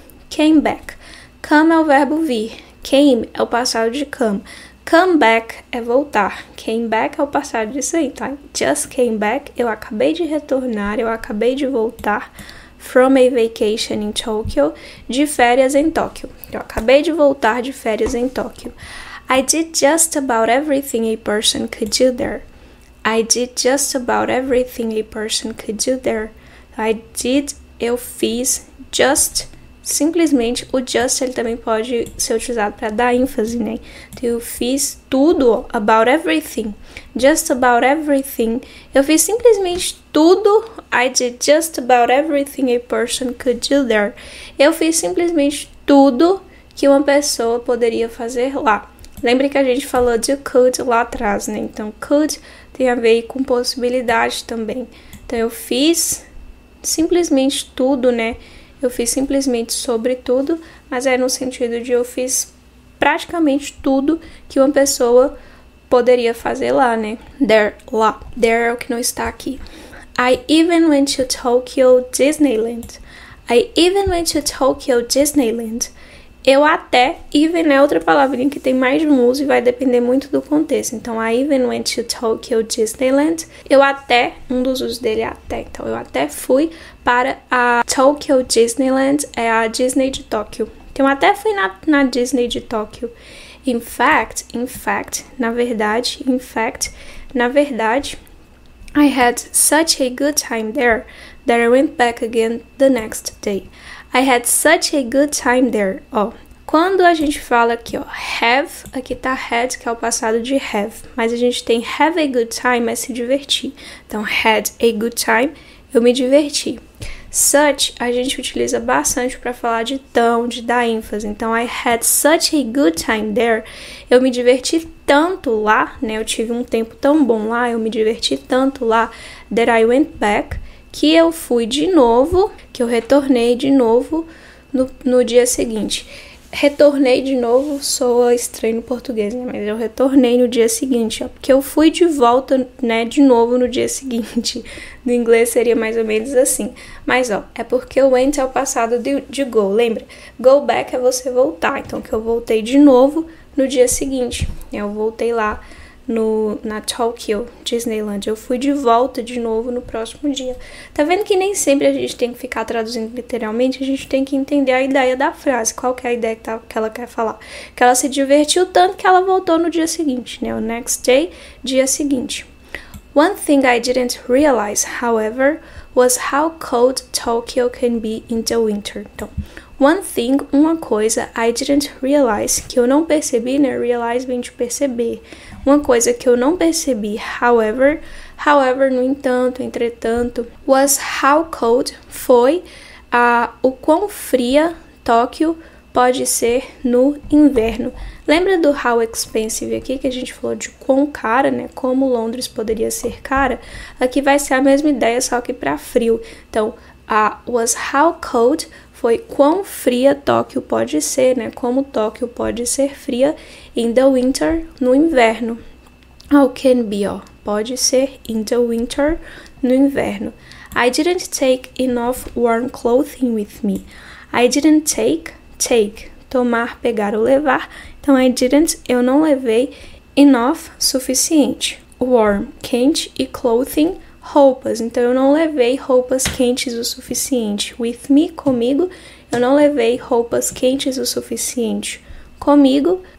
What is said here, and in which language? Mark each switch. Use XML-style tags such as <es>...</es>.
<pt>Came back. Come é o verbo vir. Came é o passado de come. Come back é voltar. Came back é o passado disso aí, tá?</pt> <en>Just came back,</en> <pt>eu acabei de retornar, eu acabei de voltar</pt> <en>from a vacation in Tokyo,</en> <pt>de férias em Tóquio. Eu acabei de voltar de férias em Tóquio.</pt> <en>I did just about everything a person could do there. I did just about everything a person could do there.</en> <pt>I did, eu fiz, just, simplesmente, o just, ele também pode ser utilizado para dar ênfase, né? Então, eu fiz tudo,</pt> <en>about everything, just about everything.</en> <pt>Eu fiz simplesmente tudo,</pt> <en>I did just about everything a person could do there.</en> <pt>Eu fiz simplesmente tudo que uma pessoa poderia fazer lá. Lembre que a gente falou de could lá atrás, né? Então, could tem a ver com possibilidade também. Então, eu fiz simplesmente tudo, né? Eu fiz simplesmente sobre tudo, mas é no sentido de eu fiz praticamente tudo que uma pessoa poderia fazer lá, né?</pt> <en>There, lá. There</en> <pt>é o que não está aqui.</pt> <en>I even went to Tokyo Disneyland. I even went to Tokyo Disneyland.</en> <pt>Eu até, even é outra palavrinha que tem mais de um uso e vai depender muito do contexto. Então,</pt> <en>I even went to Tokyo Disneyland.</en> <pt>Eu até, um dos usos dele é até. Então, eu até fui para a Tokyo Disneyland, é a Disney de Tóquio. Então, eu até fui na Disney de Tóquio.</pt> <en>In fact, I had such a good time there that I went back again the next day. I had such a good time there.</en> <pt>Ó, quando a gente fala aqui, ó, have, aqui tá had, que é o passado de have. Mas a gente tem</pt> <en>have a good time,</en> <pt>é se divertir. Então,</pt> <en>had a good time,</en> <pt>eu me diverti. Such, a gente utiliza bastante pra falar de tão, de dar ênfase.</pt> <en>Então, I had such a good time there.</en> <pt>Eu me diverti tanto lá, né? Eu tive um tempo tão bom lá, eu me diverti tanto lá,</pt> <en>that I went back.</en> <pt>Que eu fui de novo, que eu retornei de novo no dia seguinte. Retornei de novo soa estranho no português, né? Mas eu retornei no dia seguinte, ó, porque eu fui de volta, né, de novo no dia seguinte. No inglês seria mais ou menos assim. Mas, ó, é porque o went é o passado de go, lembra? Go back é você voltar, então que eu voltei de novo no dia seguinte. Eu voltei lá na Tokyo Disneyland. Eu fui de volta de novo no próximo dia. Tá vendo que nem sempre a gente tem que ficar traduzindo literalmente, a gente tem que entender a ideia da frase, qual que é a ideia que ela quer falar. Que ela se divertiu tanto que ela voltou no dia seguinte, né? O next day, dia seguinte.</pt> <en>One thing I didn't realize, however, was how cold Tokyo can be in the winter.</en> <pt>Então,</pt> <en>one thing,</en> <pt>uma coisa,</pt> <en>I didn't realize,</en> <pt>que eu não percebi, né? Realize vem de perceber. Uma coisa que eu não percebi, however, no entanto, entretanto,</pt> <en>was how cold,</en> <pt>foi o quão fria Tóquio pode ser no inverno. Lembra do</pt> <en>how expensive</en> <pt>aqui, que a gente falou de quão cara, né? Como Londres poderia ser cara? Aqui vai ser a mesma ideia, só que para frio. Então, was how cold, foi quão fria Tóquio pode ser, né? Como Tóquio pode ser fria</pt> <en>in the winter,</en> <pt>no inverno.</pt> <en>How can be,</en> <pt>ó. Pode ser</pt> <en>in the winter,</en> <pt>no inverno.</pt> <en>I didn't take enough warm clothing with me. I didn't take,</en> <pt>tomar, pegar ou levar. Então,</pt> <en>I didn't,</en> <pt>eu não levei enough, suficiente. Warm, quente, e clothing, roupas. Então, eu não levei roupas quentes o suficiente.</pt> <en>With me,</en> <pt>comigo, eu não levei roupas quentes o suficiente comigo.</pt>